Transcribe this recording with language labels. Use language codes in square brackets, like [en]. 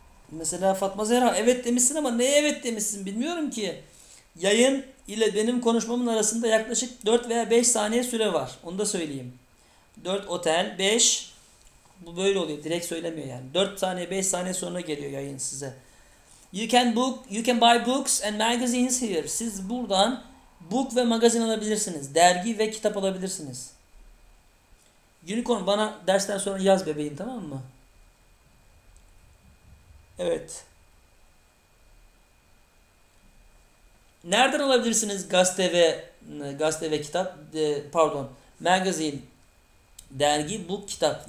[tr] Mesela Fatma Zehra evet demişsin ama neye evet demişsin bilmiyorum ki. Yayın ile benim konuşmamın arasında yaklaşık 4 veya 5 saniye süre var. Onu da söyleyeyim. 4 otel, 5 bu böyle oluyor. Direkt söylemiyor yani. 4 saniye, 5 saniye sonra geliyor yayın size. [en] You can buy books and magazines here. [tr] Siz buradan book ve magazin alabilirsiniz. Dergi ve kitap alabilirsiniz. Unicorn bana dersten sonra yaz bebeğim, tamam mı? Evet. Nereden alabilirsiniz gazete ve kitap, pardon, magazin, dergi, book, kitap?